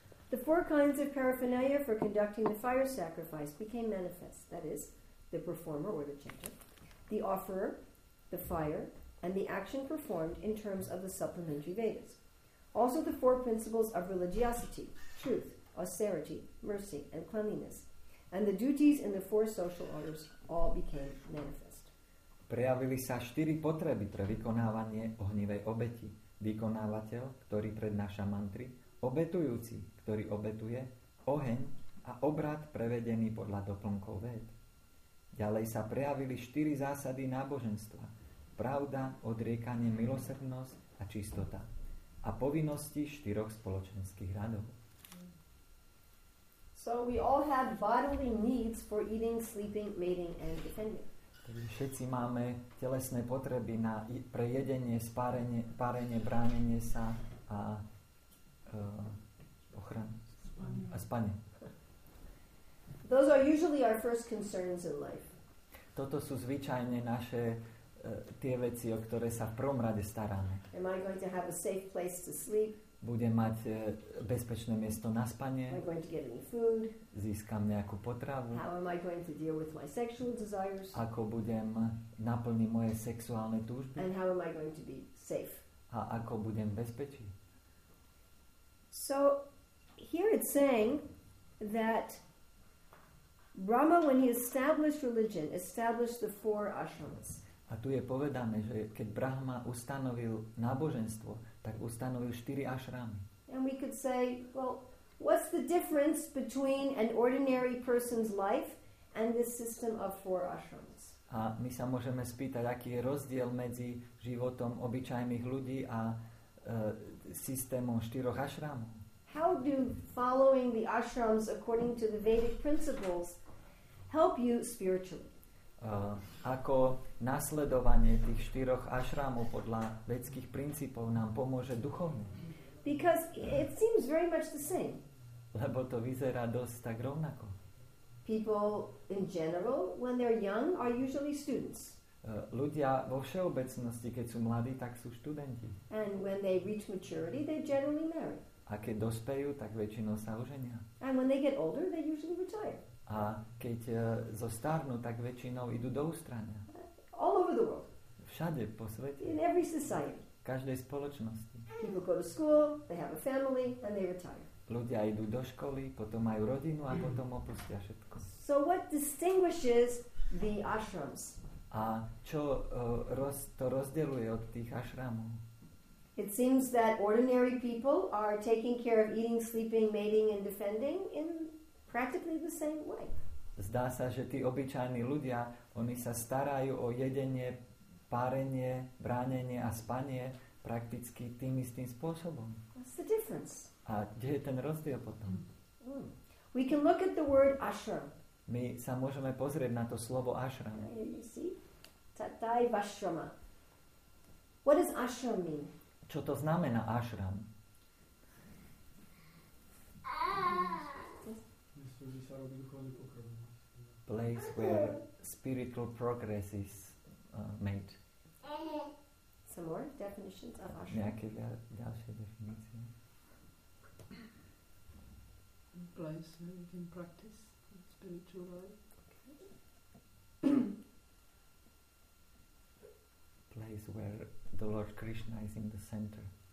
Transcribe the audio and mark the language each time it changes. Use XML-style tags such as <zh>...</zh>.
<en>The four kinds of paraphernalia for conducting the fire sacrifice became manifest, that is, the performer or the chanter, the offerer, the fire, and the action performed in terms of the supplementary Vedas. Also the four principles of religiosity, truth, austerity, mercy, and cleanliness, and the duties in the four social orders all became manifest.</en> <sk>Prejavili sa štyri potreby pre vykonávanie ohnivej obeti. Vykonávateľ, ktorý prednáša mantry, obetujúci, ktorý obetuje, oheň a obrad prevedený podľa doplnkov Véd. Ďalej sa prejavili štyri zásady náboženstva. Pravda, odriekanie, milosrdnosť a čistota. A povinnosti štyroch spoločenských radov.</sk> <en>So we all have bodily needs for eating, sleeping, mating and defending.</en> <sk>Takže všetci máme telesné potreby na pre jedenie, spárenie, párenie, bránenie sa a ochranu a spanie.</sk> <en>Those are usually our first concerns in life.</en> <sk>Toto sú zvyčajne naše tie veci, o ktoré sa v prvom rade staráme.</sk> <en>Am I going to have a safe place to sleep?</en> <sk>Budem mať bezpečné miesto na spanie.</sk> <en>Am I going to get any food?</en> <sk>Získam nejakú potravu.</sk> <en>How am I going to deal with my sexual desires?</en> <sk>Ako budem naplniť moje sexuálne túžby?</sk> <en>And how am I going to be safe?</en> <sk>A ako budem bezpečný?</sk> <en>So here it's saying that Brahma, when he established religion, established the four ashramas.</en> <sk>A tu je povedané, že keď Brahma ustanovil náboženstvo, tak ustanovil štyri ašrámy.</sk> <en>And we could say, well, what's the difference between an ordinary person's life and this system of four ashrams?</en> <sk>A my sa môžeme spýtať, aký je rozdiel medzi životom obyčajných ľudí a systémom štyroch ašrámov.</sk> <en>How do following the ashrams according to the Vedic principles help you spiritually?</en> <sk>Ako nasledovanie tých štyroch ašrámov podľa vedských princípov nám pomôže duchovne.</sk> <en>Because it seems very much the same.</en> <sk>Lebo to vyzerá dosť tak rovnako.</sk> <en>People in general, when they're young, are usually students.</en> <sk>Ľudia vo všeobecnosti, keď sú mladí, tak sú študenti.</sk> <en>And when they reach maturity, they generally marry.</en> <sk>A keď dospejú, tak väčšinou sa oženia.</sk> <en>And when they get older, they usually retire.</en> <sk>A keď zostarnú, tak väčšinou idú do ústrania.</sk> <en>All over the world.</en> <sk>Všade po svete.</sk> <en>In every society.</en> <sk>V každej spoločnosti.</sk> <en>People go to school, they have a family, and they retire.</en> <sk>Ľudia idú do školy, potom majú rodinu a potom opustia všetko.</sk> <en>So what distinguishes the ashrams?</en> <sk>A čo to rozdeľuje od tých ashramov?</sk> <en>It seems that ordinary people are taking care of eating, sleeping, mating and defending in practically the same way.</en> <sk>Zdá sa, že tí obyčajní ľudia, oni sa starajú o jedenie, párenie, bránenie a spanie prakticky tým istým spôsobom.</sk> <en>What's the difference?</en> <sk>A kde je ten rozdiel potom? Mm.</sk> <en>We can look at the word ashram.</en> <sk>My sa môžeme pozrieť na to slovo ashram.</sk> <en>You see?</en> <sa>Tatai vashrama.</sa> <en>What does ashram mean?</en> <sk>Čo to znamená ashram?</sk> <en>Place where spiritual progress is made. Some more definitions of ashram.</en> <sk>Nejaké ďalšie definície?</sk> <en>Place where you can practice spiritual life. Place where the Lord Krishna is in the center.</en>